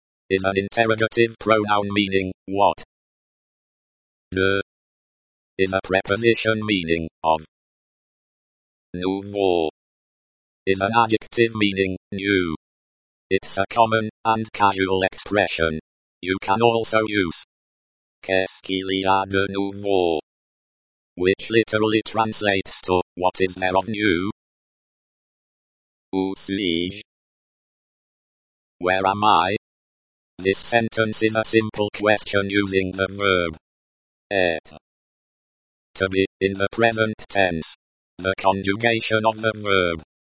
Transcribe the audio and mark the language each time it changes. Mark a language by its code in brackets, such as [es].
[en] is an interrogative pronoun meaning, what? [fr] De [en] is a preposition meaning of. [fr] Nouveau [en] is an adjective meaning new. It's a common and casual expression. You can also use [fr] qu'est-ce qu'il y a de nouveau, [en] which literally translates to what is there of new. [fr] Où suis-je? [en] Where am I? This sentence is a simple question using the verb [fr] être, [en] to be, in the present tense, the conjugation of the verb